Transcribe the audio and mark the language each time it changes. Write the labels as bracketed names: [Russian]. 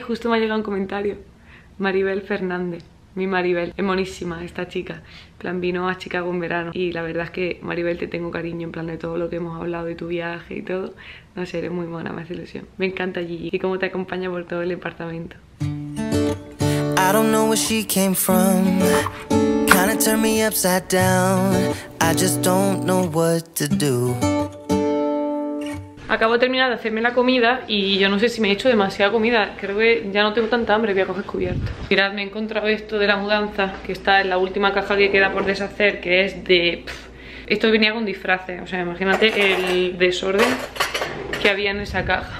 [Spanish] Justo me ha llegado un comentario. Maribel Fernández. Mi Maribel. Es monísima esta chica. En plan, vino a Chicago en verano. Y la verdad es que, Maribel, te tengo cariño. En plan, de todo lo que hemos hablado de tu viaje y todo. No sé, eres muy mona. Me hace ilusión. Me encanta Gigi. Y cómo te acompaña por todo el departamento. [English] I don't know where she came from. Kinda turned me upside down. I just don't know what to do. [Spanish] Acabo de terminar de hacerme la comida y yo no sé si me he hecho demasiada comida. Creo que ya no tengo tanta hambre, voy a coger cubierto. Mirad, me he encontrado esto de la mudanza, que está en la última caja que queda por deshacer, que es de... Esto venía con disfraces, o sea, imagínate el desorden que había en esa caja.